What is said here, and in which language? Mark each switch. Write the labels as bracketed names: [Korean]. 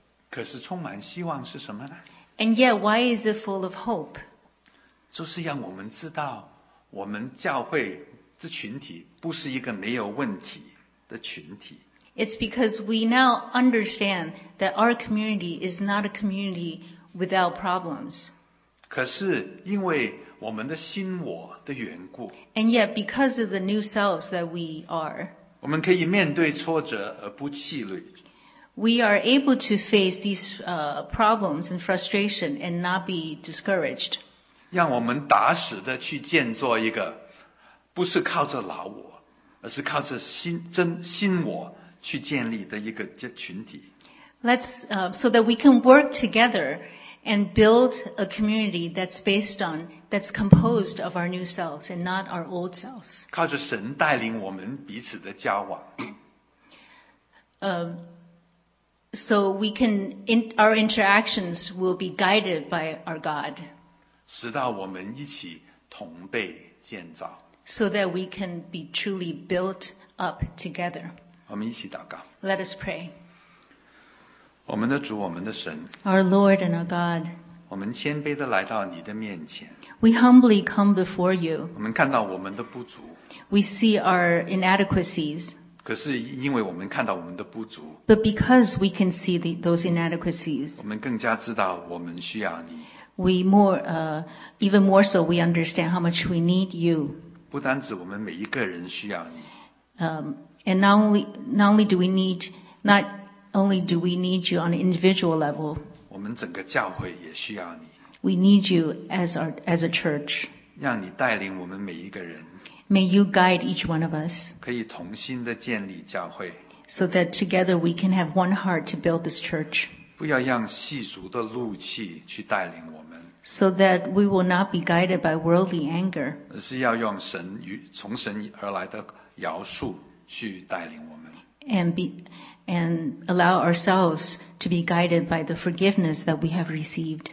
[Chinese] 可是充满希望是什么呢？ [English] And yet, why is it full of hope? [Chinese] 就是让我们知道我们教会这群体不是一个没有问题。 [English] It's because we now understand that our community is not a community without problems. [Chinese] 可是因为我们的新我的缘故。 [English] And yet, because of the new selves that we are, [Chinese] 我们可以面对挫折而不气馁。 [English] We are able to face these problems and frustration and not be discouraged. [Chinese] 让我们打死的去建造一个不是靠着老我。而是靠着新我去建立的一个群体。 [English] Let's so that we can work together and build a community that's composed of our new selves and not our old selves. [Chinese] 靠着神带领我们彼此的交往。 [English] So we can our interactions will be guided by our God. [Chinese] 使到我们一起同被建造。 [English] So that we can be truly built up together. [Chinese] 我们一起祷告。 [English] Let us pray. [Chinese] 我们的主，我们的神。 [English] Our Lord and our God. [Chinese] 我们谦卑地来到你的面前。 [English] We humbly come before you. [Chinese] 我们看到我们的不足。 [English] We see our inadequacies. [Chinese] 可是因为我们看到我们的不足。 [English] But because we can see those inadequacies. [Chinese] 我们更加知道我们需要你。 [English] We even more so, we understand how much we need you. [Chinese] 不单止我们每一个人需要你。 [English] And not only do we need you on an individual level. [Chinese] 我们整个教会也需要你。 [English] We need you as a church. [Chinese] 让你带领我们每一个人。 [English] May you guide each one of us. [Chinese] 可以同心地建立教会。 [English] So that together we can have one heart to build this church. [Chinese] 不要让世俗的怒气去带领我们。 [English] So that we will not be guided by worldly anger. [Chinese] 而是要用神与从神而来的饶恕去带领我们。 [English] And allow ourselves to be guided by the forgiveness that we have received.